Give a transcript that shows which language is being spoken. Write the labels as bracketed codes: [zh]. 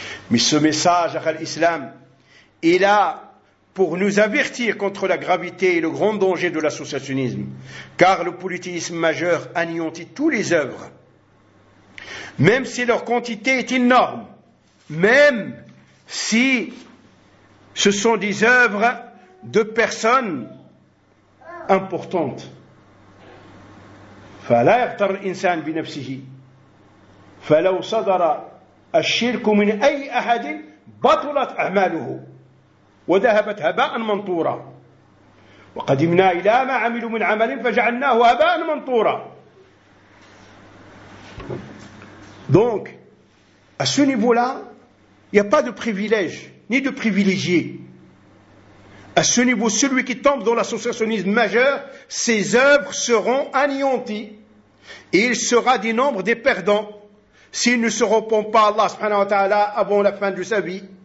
[fr] Mais ce message à l'islam est là pour nous avertir contre la gravité et le grand danger de l'associationnisme, car le politisme majeur anéantit toutes les œuvres, même si leur quantité est énorme, même si ce sont des œuvres de personnes importantes. [ar] فلا يغتر الإنسان بنفسه فلو صدر الشرك من أي أحد بطلت أعماله وذهبت هباء منطورا وقدمنا إلى ما عملوا من عمل فجعلناه هباء منطورا. [fr] Donc, à ce niveau-là, il n'y a pas de privilège, ni de privilégié. À ce niveau, celui qui tombe dans l'associationnisme majeur, ses œuvres seront anéanties. Et il sera du nombre des perdants s'il ne se repent pas à Allah subhanahu wa ta'ala avant la fin de sa vie.